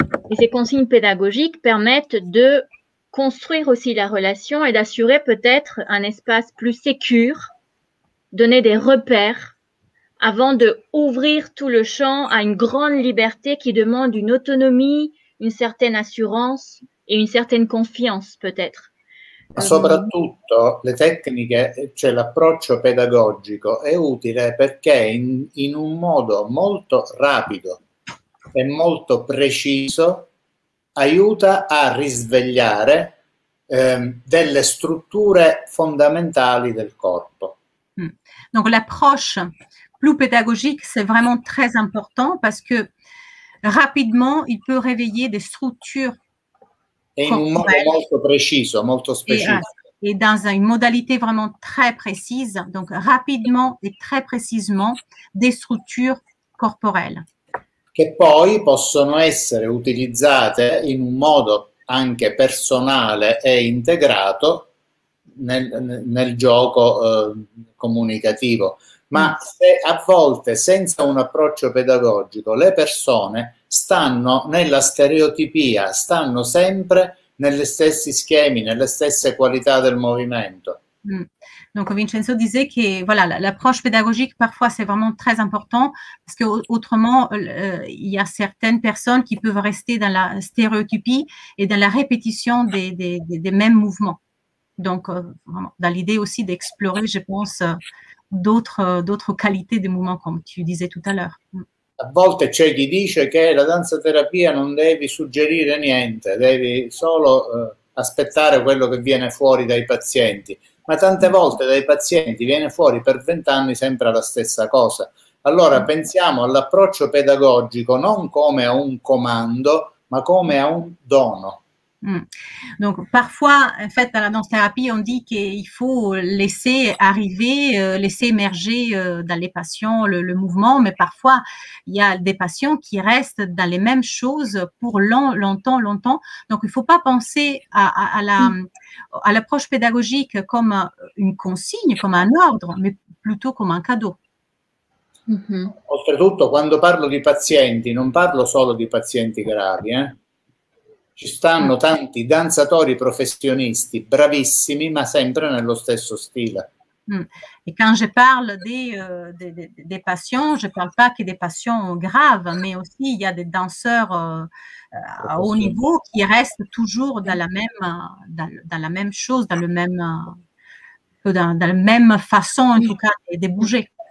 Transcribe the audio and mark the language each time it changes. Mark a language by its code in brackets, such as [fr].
[fr] Et ces consignes pédagogiques permettent de construire aussi la relation et d'assurer peut-être un espace plus sécur, donner des repères avant d'ouvrir tout le champ à une grande liberté qui demande une autonomie, une certaine assurance et une certaine confiance peut-être. [it] Ma soprattutto le tecniche, cioè l'approccio pedagogico è utile perché in un modo molto rapido e molto preciso aiuta a risvegliare delle strutture fondamentali del corpo. [fr] Donc l'approche plus pédagogique c'est vraiment très important parce que rapidement il peut réveiller des structures. [it] Et in un modo molto preciso, molto specifico. [fr] Et dans une modalité vraiment très précise, donc rapidement et très précisément, des structures corporelles. [it] Che poi possono essere utilizzate in un modo anche personale e integrato nel gioco comunicativo. Ma se a volte, senza un approccio pedagogico, le persone stanno nella stereotipia, stanno sempre negli stessi schemi, nelle stesse qualità del movimento. [fr] Donc Vincenzo disait que voilà, l'approche pédagogique parfois c'est vraiment très important parce que autrement il y a certaines personnes qui peuvent rester dans la stéréotypie et dans la répétition des mêmes mouvements. Donc dans l'idée aussi d'explorer, je pense, d'autres qualités de mouvements comme tu disais tout à l'heure. [it] A volte c'è chi dice che la danza terapia non devi suggerire niente, devi solo aspettare quello che viene fuori dai pazienti. Ma tante volte dai pazienti viene fuori per 20 anni sempre la stessa cosa. Allora pensiamo all'approccio pedagogico non come a un comando, ma come a un dono. [fr] Donc parfois, en fait, dans la danse-thérapie, on dit qu'il faut laisser arriver, laisser émerger dans les patients le mouvement, mais parfois, il y a des patients qui restent dans les mêmes choses pour longtemps. Donc, il ne faut pas penser à l'approche pédagogique comme une consigne, comme un ordre, mais plutôt comme un cadeau. [it] Oltretutto, quando parlo di pazienti, non parlo solo di pazienti gravi, hein? Ci stanno tanti danzatori professionisti bravissimi, ma sempre nello stesso stile. [fr] E quando je parle des patients, je parle pas que des patients graves, mais aussi il y a des danseurs à haut niveau qui restent toujours dans la même façon en tout cas de bouger.